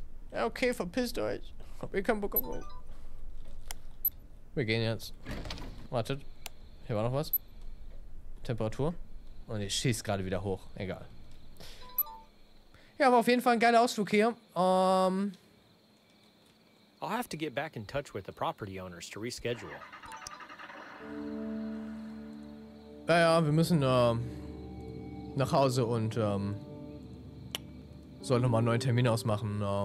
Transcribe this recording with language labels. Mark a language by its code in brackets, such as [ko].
[de] Ja, okay, verpisst euch. Hab ihr keinen Bock auf euch. Wir gehen jetzt. Wartet. Hier war noch was. Temperatur. Und ich schieße gerade wieder hoch. Egal. Ja, aber auf jeden Fall ein geiler Ausflug hier. [en] I'll have to get back in touch with the property owners to reschedule. [de] Ja, wir müssen nach Hause und sollen nochmal einen neuen Termin ausmachen.